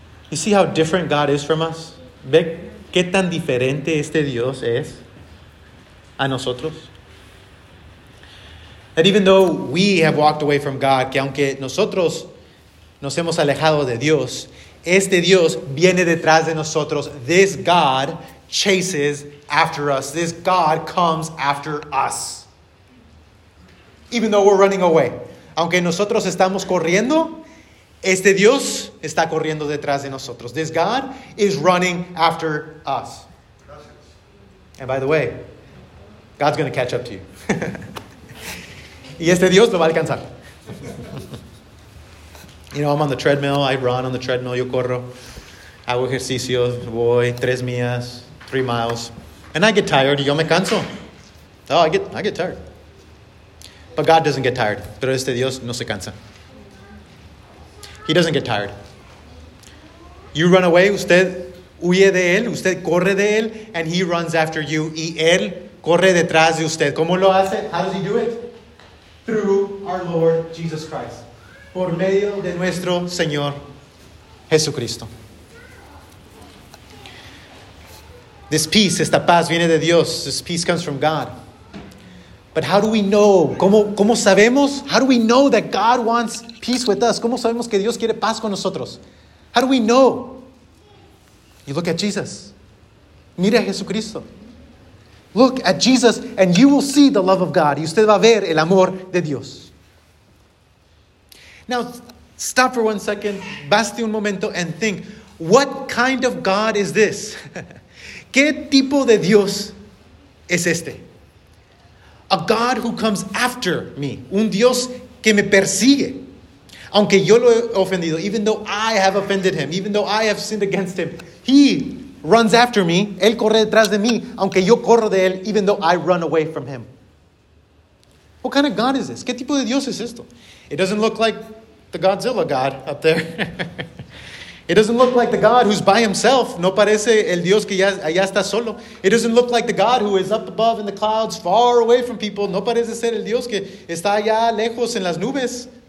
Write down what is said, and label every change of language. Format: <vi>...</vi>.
<en>You see how different God is from us?</en> <es>¿Ve qué tan diferente este Dios es a nosotros?</es> <en>That even though we have walked away from God,</en> <es>que aunque nosotros nos hemos alejado de Dios, este Dios viene detrás de nosotros.</es> <en>This God chases after us. This God comes after us. Even though we're running away.</en> <es>Aunque nosotros estamos corriendo, este Dios está corriendo detrás de nosotros.</es> <en>This God is running after us. And by the way, God's going to catch up to you.</en> <es>Y este Dios lo va a alcanzar.</es> <en>You know, I'm on the treadmill. I run on the treadmill.</en> <es>Yo corro. Hago ejercicios. Voy 3 millas,</es> <en>3 miles. And I get tired.</en> <es>Yo me canso.</es> <en>Oh, I get tired. But God doesn't get tired.</en> <es>Pero este Dios no se cansa.</es> <en>He doesn't get tired. You run away.</en> <es>Usted huye de él. Usted corre de él.</es> <en>And he runs after you.</en> <es>Y él corre detrás de usted. ¿Cómo lo hace?</es> <en>How does he do it? Through our Lord Jesus Christ.</en> <es>Por medio de nuestro Señor Jesucristo.</es> <en>This peace,</en> <es>esta paz viene de Dios.</es> <en>This peace comes from God. But how do we know?</en> <es>¿Cómo sabemos?</es> <en>How do we know that God wants peace with us?</en> <es>¿Cómo sabemos que Dios quiere paz con nosotros?</es> <en>How do we know? You look at Jesus.</en> <es>Mira a Jesucristo.</es> <en>Look at Jesus and you will see the love of God.</en> <es>Y usted va a ver el amor de Dios.</es> <en>Now, stop for 1 second.</en> <es>Baste un momento</es> <en>and think. What kind of God is this?</en> <es>¿Qué tipo de Dios es este?</es> <en>A God who comes after me.</en> <es>Un Dios que me persigue. Aunque yo lo he ofendido.</es> <en>Even though I have offended him. Even though I have sinned against him. He runs after me.</en> <es>Él corre detrás de mí. Aunque yo corro de él.</es> <en>Even though I run away from him. What kind of God is this?</en> <es>¿Qué tipo de Dios es esto?</es> <en>It doesn't look like the Godzilla God up there. It doesn't look like the God who's by himself.</en> <es>No parece el Dios que ya está solo.</es> <en>It doesn't look like the God who is up above in the clouds, far away from people.</en> <es>No parece ser el Dios que está allá lejos en las nubes.</es>